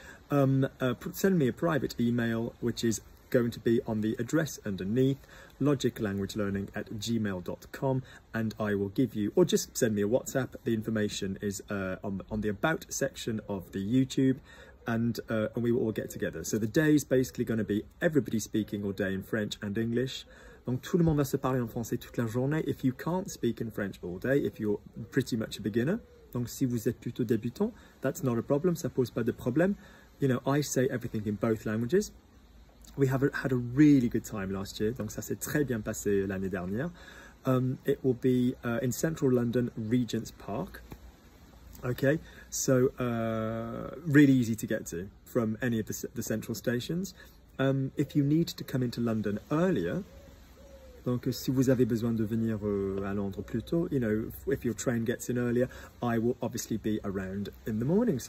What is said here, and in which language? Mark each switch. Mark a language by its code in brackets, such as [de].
[en] Send me a private email, which is going to be on the address underneath, logiclanguagelearning@gmail.com, and I will give you, or just send me a WhatsApp. The information is on the About section of the YouTube, and we will all get together. So the day is basically going to be everybody speaking all day in French and English. [fr] Donc, tout le monde va se parler en français toute la journée. [en] If you can't speak in French all day, if you're pretty much a beginner, [fr] donc si vous êtes plutôt débutant, [en] that's not a problem, [fr] ça pose pas de problème. [en] You know, I say everything in both languages. We have had a really good time last year, [fr] donc ça s'est très bien passé l'année dernière. [en] It will be in central London, Regent's Park. Okay, so really easy to get to from any of the central stations. If you need to come into London earlier, [fr] donc si vous avez besoin de venir à Londres plus tôt, [en] you know, if your train gets in earlier, I will obviously be around in the morning.